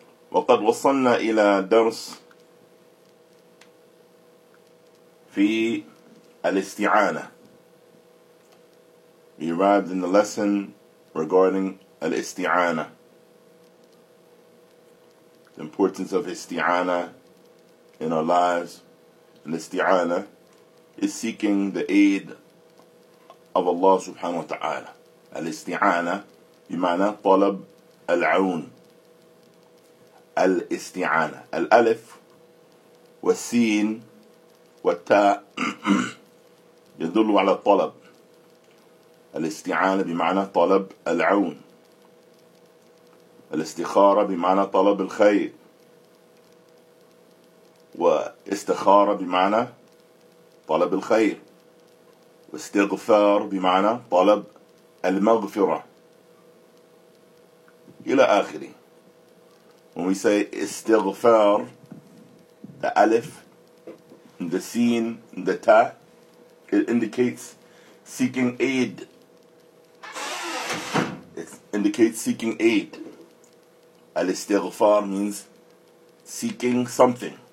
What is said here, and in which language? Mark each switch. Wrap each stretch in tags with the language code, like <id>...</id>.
<ar>وقد وصلنا إلى درس في الاستعانة.</ar> <en>We arrived in the lesson regarding</en> <ar>الاستعانة,</ar> <en>the importance of</en> <ar>استعانة</ar> <en>in our lives. And</en> <ar>استعانة</ar> <en>is seeking the aid of Allah subhanahu wa ta'ala.</en> <ar>الاستعانة بمعنى طلب العون. الاستعانة الألف والسين والتاء يدل على الطلب. الاستعانة بمعنى طلب العون. الاستخارة بمعنى طلب الخير. واستخارة بمعنى طلب الخير. واستغفار بمعنى طلب المغفرة إلى آخره.</ar> <en>When we say</en> <ar>استغفار,</ar> <en>the alif, the seen, the ta, it indicates seeking aid. It indicates seeking aid.</en> <ar>الاستغفار</ar> <en>means seeking something.</en>